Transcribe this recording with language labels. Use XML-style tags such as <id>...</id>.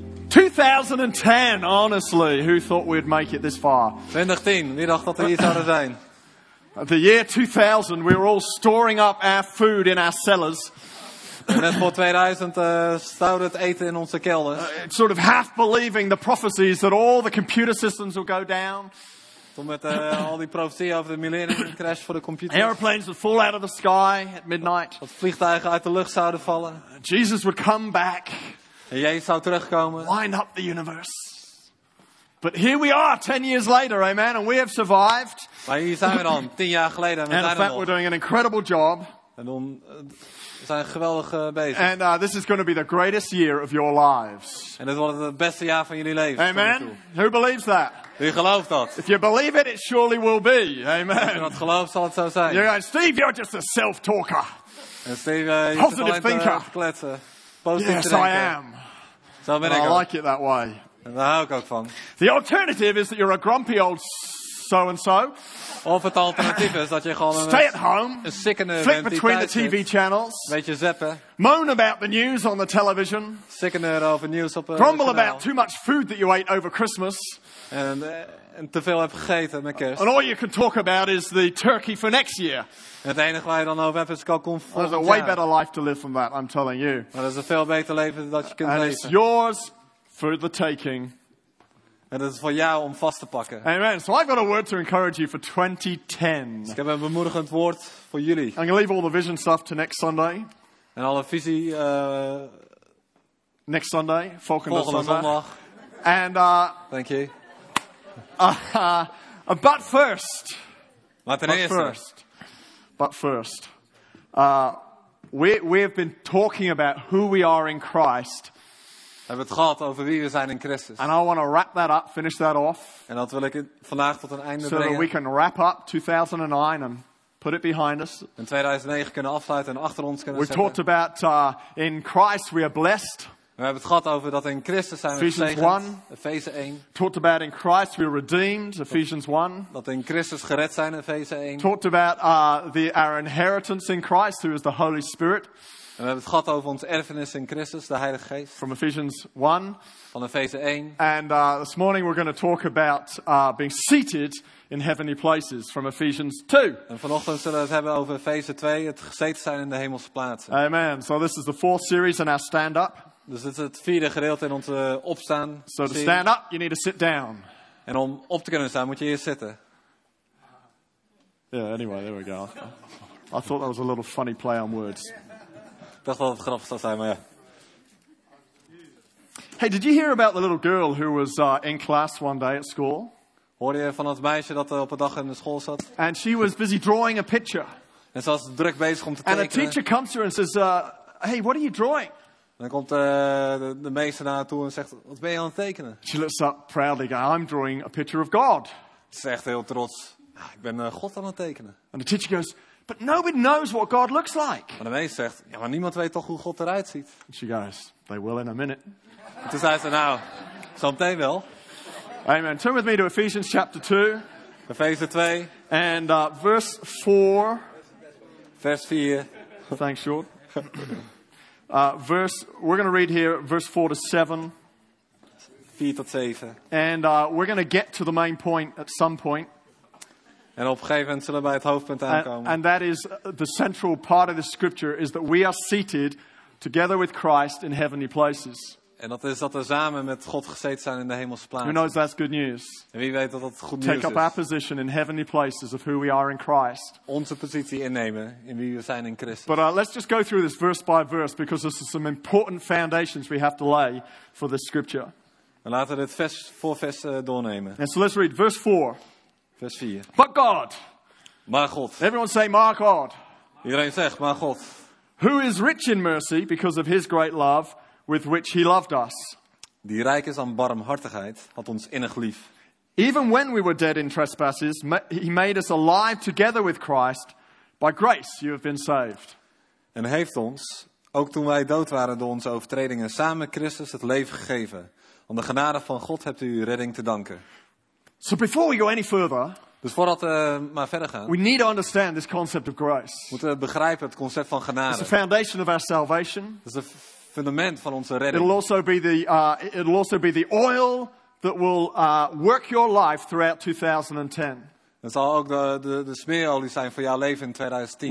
<en>2010, honestly, who thought we'd make it this far?</en> <nl>2010, wie dacht dat we hier zouden zijn?</nl> <en>The year 2000, we were all storing up our food in our cellars.</en> <nl>Net voor 2000 stouwde het eten in onze kelders.</nl> <en>Sort of half believing the prophecies that all the computer systems will go down.</en> <nl>Toen met al die profetieën over de millennium crash voor de computers.</nl> <en>Airplanes would fall out of the sky at midnight.</en> <nl>Dat vliegtuigen uit de lucht zouden vallen.</nl> <en>Jesus would come back.</en> <nl>En Jezus zou terugkomen.</nl> <en>Line up the universe. But here we are 10 years later, amen, and we have survived.</en> <nl>Maar hier zijn we dan, 10 jaar geleden.</nl> <en>And in fact, we're doing an incredible job.</en> <nl>En dan zijn we geweldig bezig.</nl> <en>And this is going to be the greatest year of your lives.</en> <nl>En dit wordt het beste jaar van jullie leven.</nl> <en>Amen. Who believes that?</en> <nl>Wie gelooft dat?</nl> <en>If you believe it, it surely will be. Amen.</en> <nl>Als je dat gelooft, zal het zo zijn.</nl> <en>You're going, Steve, you're just a self-talker.</en> <nl>En Steve, positive je thinker. Te kletsen.</nl> <en>Positive yes,</en> <nl>drinken.</nl> <en>I am.</en> <nl>Zo ben ik.</nl> <en>I like it that way.</en> <nl>En daar hou ik ook van.</nl> <en>The alternative is that you're a grumpy old so and so.</en> <nl>Of het alternatief is dat je gewoon een</nl> <en>stay at home, flick between the TV channels,</en> <nl>beetje zappen,</nl> <en>moan about the news on the television,</en> <nl>sickener over nieuws op het</nl> <en>grumble about too much food that you ate over Christmas,</en> <nl>en te veel heb gegeten met Kerst.</nl> <en>And all you can talk about is the turkey for next year.</en> <nl>Het enige waar je dan over hebt is kalkoen voor.</nl> <en>There's a way better life to live than that, I'm telling you.</en> <nl>Maar er is een veel beter leven dat je kunt</nl> <en>and</en> <nl>leven.</nl> <en>And it's yours for the taking.</en> <nl>En dat is voor jou om vast te pakken.</nl> <en>Amen. So I've got a word to encourage you for 2010.</en> <nl>Dus ik heb een bemoedigend woord voor jullie.</nl> <en>I'm going to leave all the vision stuff to next Sunday.</en> <nl>En alle visie</nl> <en>next Sunday,</en> <nl>volgende zondag.</nl> <en>And thank you. But first.</en> <nl>Maar ten eerste.</nl> <en>But first. We have been talking about who we are in Christ.</en> <nl>We hebben het gehad over wie we zijn in Christus.</nl> <en>And I want to wrap that up, finish that off.</en> <nl>En dat wil ik vandaag tot een einde</nl> <en>so</en> <nl>brengen.</nl> <en>So we can wrap up 2009 and put it behind us.</en> <nl>In 2009 kunnen afsluiten en achter ons kunnen</nl> <en>we</en> <nl>zetten.</nl> <en>We talked about in Christ we are blessed.</en> <nl>We hebben het gehad over dat in Christus zijn we gezegend. Efeze 1.</nl> <en>Talked about in Christ we are redeemed. Ephesians 1.</en> <nl>Dat in Christus gered zijn. Efeze 1.</nl> <en>Talked about our inheritance in Christ who is the Holy Spirit.</en> <nl>En we hebben het gehad over ons erfenis in Christus, de Heilige Geest.</nl> <en>From Ephesians 1.</en> <nl>Van Efeze 1.</nl> <en>And this morning we're going to talk about being seated in heavenly places. From Ephesians 2.</en> <nl>En vanochtend zullen we het hebben over Efeze 2, het gezeten zijn in de hemelse plaatsen.</nl> <en>Amen. So this is the fourth series in our stand-up.</en> <nl>Dus dit is het vierde gedeelte in onze opstaan.</nl> <en>So to stand up, you need to sit down.</en> <nl>En om op te kunnen staan, moet je eerst zitten.</nl> <en>Yeah, anyway, there we go. I thought that was a little funny play on words.</en> <nl>Ik dacht dat het grappig zou zijn, maar ja.</nl> <en>Hey, did you hear about the little girl who was in class one day at school?</en> <nl>Hoorde je van het meisje dat op een dag in de school zat?</nl> <en>And she was busy drawing a picture.</en> <nl>En ze was druk bezig om te</nl> <en>and</en> <nl>tekenen.</nl> <en>And a teacher comes to her and says, hey, what are you drawing?</en> <nl>En dan komt de meester naar haar toe en zegt, wat ben je aan het tekenen?</nl> <en>She looks up proudly, I'm drawing a picture of God.</en> <nl>Ze zegt heel trots, ik ben God aan het tekenen.</nl> <en>And the teacher goes, but nobody knows what God looks like.</en> <nl>Maar de meester zegt, ja, maar niemand weet toch hoe God eruit ziet.</nl> <en>She goes, they will in a minute.</en> <nl>En toen zei ze, nou, zo meteen wel.</nl> <en>Amen. Turn with me to Ephesians chapter 2. Ephesians 2. And verse 4.</en> <nl>Vers 4.</nl> <en>Thanks, Sean. we're going to read here verse 4 to 7.</en> <nl>4 tot 7.</nl> <en>And we're going to get to the main point at some point.</en> <nl>En op een gegeven moment zullen we bij het hoofdpunt aankomen.</nl> <en>And that is the central part of the scripture is that we are seated together with Christ in heavenly places.</en> <nl>En dat is dat we samen met God gezeten zijn in de hemelse plaatsen.</nl> <en>Who knows that's good news?</en> <nl>En wie weet dat dat goed</nl> <en>take</en> <nl>nieuws is.</nl> <en>Take up our position in heavenly places of who we are in Christ.</en> <nl>Onze positie innemen in wie we zijn in Christus.</nl> <en>But let's just go through this verse by verse because there's some important foundations we have to lay for this scripture.</en> <nl>En laten we dit vers voor vers doornemen.</nl> <en>And so let's read verse 4.</en> <nl>Vers 4.</nl> <en>But God.</en> <nl>Maar God.</nl> <en>Everyone say,</en> <nl>maar God. Iedereen zegt, maar God.</nl> <en>Who is rich in mercy because of his great love with which he loved us.</en> <nl>Die rijk is aan barmhartigheid, had ons innig lief.</nl> <en>Even when we were dead in trespasses, he made us alive together with Christ. By grace you have been saved.</en> <nl>En heeft ons, ook toen wij dood waren door onze overtredingen, samen Christus het leven gegeven. Om de genade van God hebt u uw redding te danken.</nl> <en>So before we go any further,</en> <nl>dus voordat we maar verder gaan,</nl> <en>we need to understand this concept of grace.</en> <nl>Moeten we begrijpen het concept van genade.</nl> <en>It's the foundation of our salvation.</en> <nl>Dat is de fundament van onze redding.</nl> <en>It'll also be the oil that will work your life throughout 2010.</en> <nl>Dat zal ook de smeerolie zijn voor jouw leven in 2010.</nl>